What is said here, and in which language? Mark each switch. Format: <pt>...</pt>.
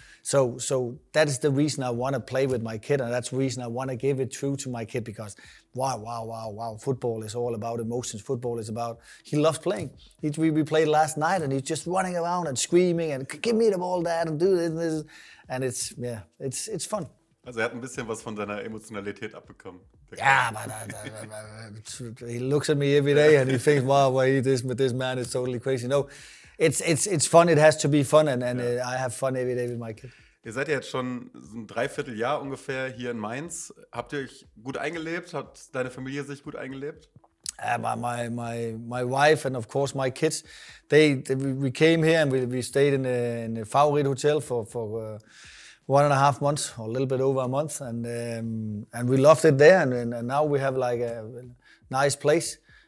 <en>So that is the reason I want to play with my kid, and that's the reason I want to give it true to my kid, because wow, football is all about emotions. Football is about, he loves playing. We played last night and he's just running around and screaming and give me the ball, dad, and do this and this. And it's, yeah, it's fun.</en> <de>Also er hat ein bisschen was von seiner Emotionalität abbekommen.</de> <en>Yeah, but he looks at me every day and he thinks, wow, well, this man is totally crazy. No, it's fun, it has to be fun, and yeah. I have fun every day with my kid.</en> <de>Ihr seid ja jetzt schon ein Dreivierteljahr ungefähr hier in Mainz. Habt ihr euch gut eingelebt? Hat deine Familie sich gut eingelebt?</de> <en>My wife and of course my kids, we came here and we stayed in a Favorit Hotel for 1.5 months, or a little bit over a month, and we loved it there, and now we have like a nice place.</en>